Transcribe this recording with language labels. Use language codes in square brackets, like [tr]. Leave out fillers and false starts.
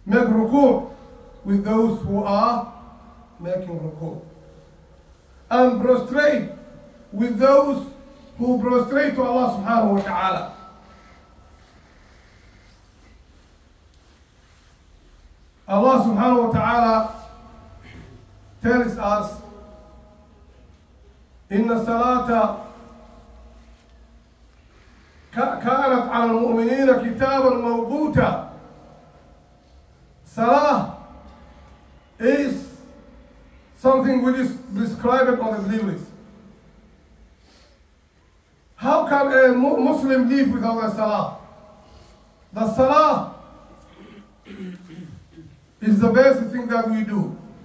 [en] Make rukuh with those who are making rukuh. And prostrate with those who prostrate to Allah subhanahu wa ta'ala. Allah subhanahu wa ta'ala tells us [ar] إن الصلاة كانت على المؤمنين كتابا موقوتا. [en] صلاة is something which is prescribed on the believers. How can a Muslim live without a صلاة? The صلاة is the basic thing that we do.